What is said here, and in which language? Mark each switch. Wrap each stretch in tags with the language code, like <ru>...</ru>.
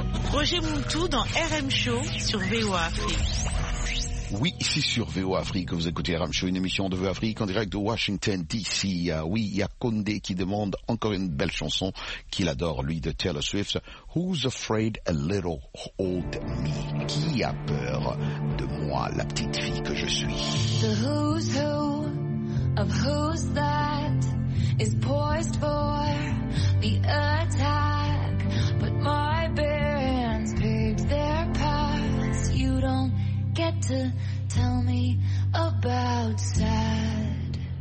<fr>comprendre tout dans RM Show sur VOA Afrique. Oui, c'est sur VO Afrique que vous écoutez RM Show, une émission de VO Afrique en direct de Washington DC. Oui, il y a Koundé qui demande encore une belle chanson qu'il adore, lui, de Taylor Swift.</fr> <en>Who's afraid a little old me?</en> <fr>Qui a peur de moi, la petite fille que je suis?</fr> <en>The who's who of who's that is poised for the attack, but my bare hands paved their paths. You don't get to tell me about sad.</en>